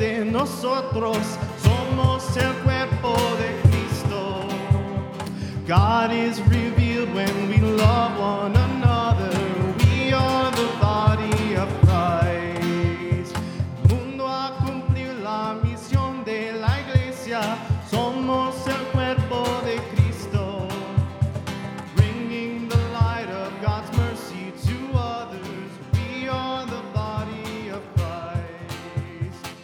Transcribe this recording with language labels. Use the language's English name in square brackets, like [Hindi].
[Spanish] Nosotros somos el cuerpo de Cristo. [English] God is revealed when we love one another. We are the body of Christ. [Spanish] Mundo a cumplir la misión de la iglesia. Somos el cuerpo de Cristo. [English] Bringing the light of God's mercy to others. We are the body of Christ.